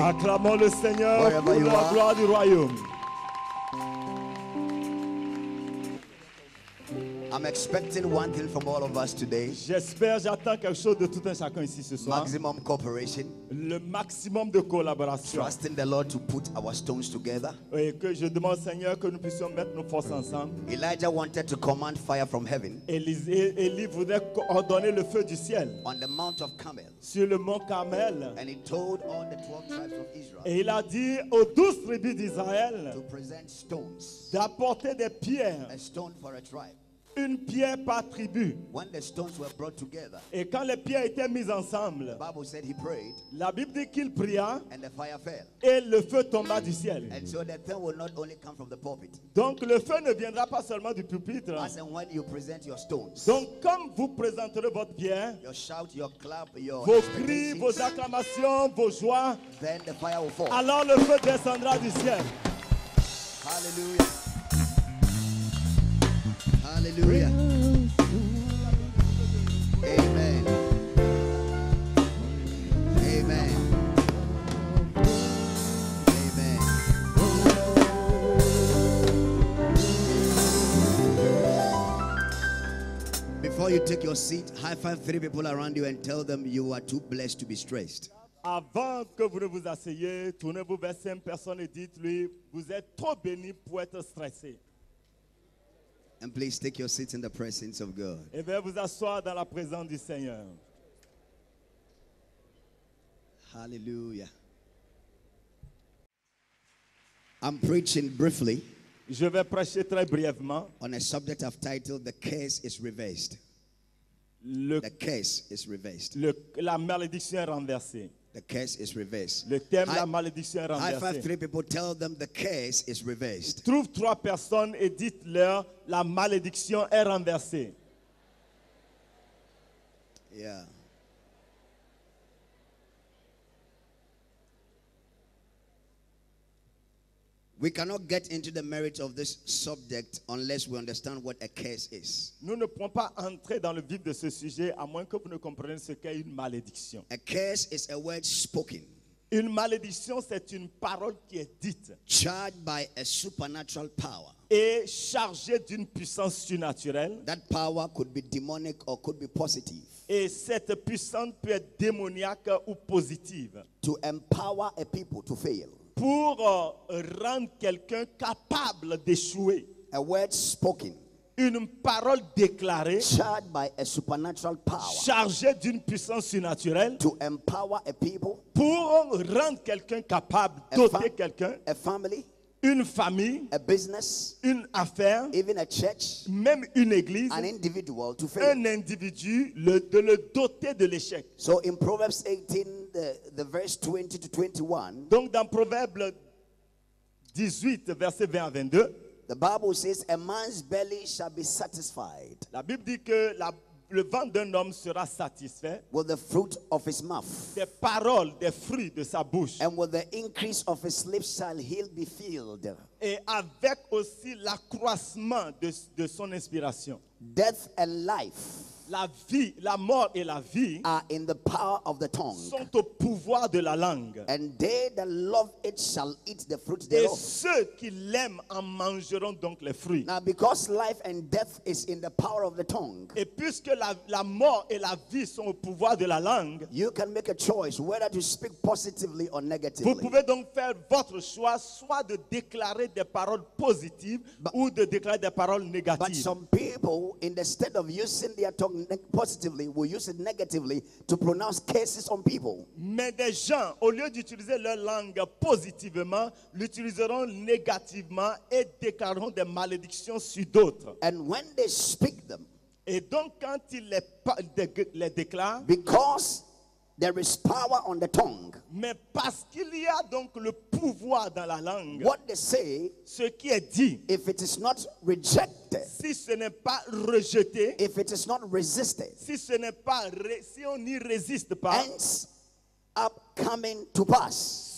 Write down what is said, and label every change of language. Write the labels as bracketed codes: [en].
[fr] acclamons le Seigneur pour la gloire du royaume. [en] I'm expecting one thing from all of us today. [fr] J'espère, j'attends quelque chose de tout un chacun ici ce soir. [en] Maximum cooperation. [fr] Le maximum de collaboration. [en] Trusting the Lord to put our stones together. [fr] Et que je demande Seigneur que nous puissions mettre nos forces ensemble. [en] Elijah wanted to command fire from heaven. [fr] Élie voulait ordonner le feu du ciel. [en] On the Mount of Carmel. [fr] Sur le mont Carmel. [en] And he told all the 12 tribes of Israel. [fr] Et il a dit aux 12 tribus d'Israël. [en] To present stones. [fr] D'apporter des pierres. [en] A stone for a tribe. [fr] Une pierre par tribu. [en] When the stones were brought together, [fr] et quand les pierres étaient mises ensemble, [en] the Bible said he prayed, [fr] la Bible dit qu'il pria [en] and the fire fell. [fr] Et le feu tomba du ciel. [en] And so the thing will not only come from the pulpit. [fr] Donc le feu ne viendra pas seulement du pupitre. [en] As and when you present your stones, [fr] donc comme vous présenterez votre pierre, [en] your shout, your clap, your [fr] vos cris, vos acclamations, vos joies, [en] then the fire will fall. [fr] Alors le feu descendra du ciel. Hallelujah. Hallelujah. Amen. Amen. Amen. [en] Before you take your seat, high five three people around you and tell them you are too blessed to be stressed. [fr] Avant que vous ne vous asseyez, tournez-vous vers cinq personnes et dites-lui, vous êtes trop béni pour être stressé. [en] And please take your seat in the presence of God. [fr] Et veuillez vous asseoir dans la présence du Seigneur. Hallelujah. [en] I'm preaching briefly. [fr] Je vais prêcher très brièvement. [en] On a subject I've titled "The Curse Is Reversed." The curse is reversed. [fr] La malédiction est renversée. [en] The curse is reversed. [fr] Le thème de la malédiction est renversé. [en] High five three people, tell them the curse is reversed. [fr] Trouve trois personnes et dites-leur la malédiction est renversée. Yeah. [en] We cannot get into the merit of this subject unless we understand what a curse is. [fr] Nous ne pouvons pas entrer dans le vif de ce sujet à moins que vous ne compreniez ce qu'est une malédiction. [en] A curse is a word spoken. [fr] Une malédiction, c'est une parole qui est dite. [en] Charged by a supernatural power. [fr] Et chargée d'une puissance surnaturelle. [en] That power could be demonic or could be positive. [fr] Et cette puissance peut être démoniaque ou positive. [en] To empower a people to fail. [fr] Pour rendre quelqu'un capable d'échouer. [en] A word spoken. [fr] Une parole déclarée. [en] Charged by a supernatural power. [fr] Chargée d'une puissance surnaturelle. [en] To empower a people. [fr] Pour rendre quelqu'un capable, doter quelqu'un. [en] A family. [fr] Une famille. [en] A business. [fr] Une affaire. [en] Even a church. [fr] Même une église. [en] An individual to fail. [fr] Un individu, le doter de l'échec. [en] So in Proverbs 18. The verse 20 to 21. [fr] Donc dans Proverbe 18, verset 20 à 22. [en] The Bible says, a man's belly shall be satisfied. [fr] La Bible dit que le ventre d'un homme sera satisfait. [en] With the fruit of his mouth. [fr] Des paroles, des fruits de sa bouche. [en] And with the increase of his lips shall he be filled. [fr] Et avec aussi l'accroissement de son inspiration. [en] Death and life. [fr] La vie, la mort et la vie [en] are in the power of the tongue. [fr] Sont au pouvoir de la langue. [en] And they that love it shall eat the fruit thereof. [fr] Et ceux qui l'aiment en mangeront donc les fruits. [en] Now, because life and death is in the power of the tongue. [fr] Et puisque la mort et la vie sont au pouvoir de la langue, [en] you can make a choice whether to speak positively or negatively. [fr] Vous pouvez donc faire votre choix, soit de déclarer des paroles positives ou de déclarer des paroles négatives. [en] But some people, instead of using their tongue positively, will use it negatively to pronounce curses on people. [fr] Mais des gens, au lieu d'utiliser leur langue positivement, l'utiliseront négativement et déclareront des malédictions sur d'autres. [en] And when they speak them, [fr] et donc quand ils les déclarent, [en] because there is power on the tongue. [fr] Mais parce qu'il y a donc le pouvoir dans la langue. [en] What they say, [fr] ce qui est dit, [en] if it is not rejected, [fr] si ce n'est pas rejeté, [en] if it is not resisted, [fr] si on n'y résiste pas, [en] hence up coming to pass,